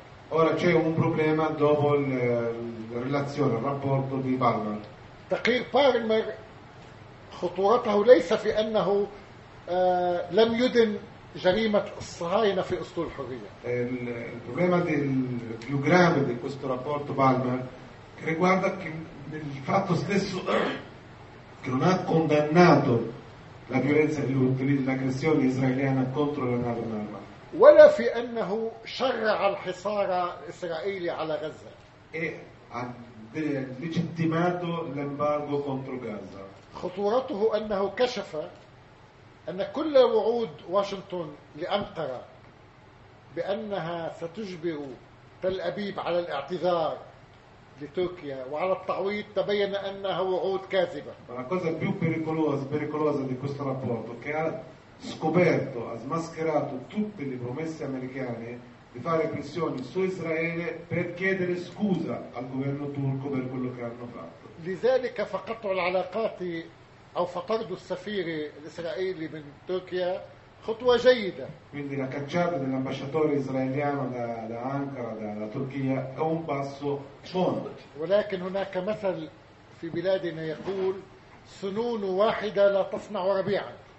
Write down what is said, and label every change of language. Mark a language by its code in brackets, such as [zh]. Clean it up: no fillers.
[it] Ora c'è un problema dopo la relazione, il rapporto di Palmer. [ar] تقرير بارمر خطورته ليس في أنه لم يدن جريمة الصهاينة في أسطول الحرية. [it] Il problema più grave di questo rapporto Palmer riguarda il fatto stesso che non ha condannato la violenza dell'aggressione israeliana contro la NATO. [ar] ولا في أنه شرع الحصار الإسرائيلي على غزة. [it] Legittimato l'embargo contro Gaza. [ar] خطورته أنه كشف أن كل وعود واشنطن لأنقرة بأنها ستجبر تل أبيب على الاعتذار لتركيا وعلى التعويض تبين أنها وعود كاذبة. [it] La cosa più pericolosa di questo rapporto che ha scoperto, ha smascherato tutte le promesse americane di fare pressioni su Israele per chiedere scusa al governo turco per quello che hanno fatto. [ar] لذلك فقطع العلاقات أو فطرد السفير الإسرائيلي من تركيا خطوة جيدة. [it] Quindi la cacciata dell'ambasciatore israeliano da Ankara, dalla Turchia, è un passo buono. [ar] ولكن هناك مثل في بلادنا يقول سنون واحدة لا تصنع ربيعا.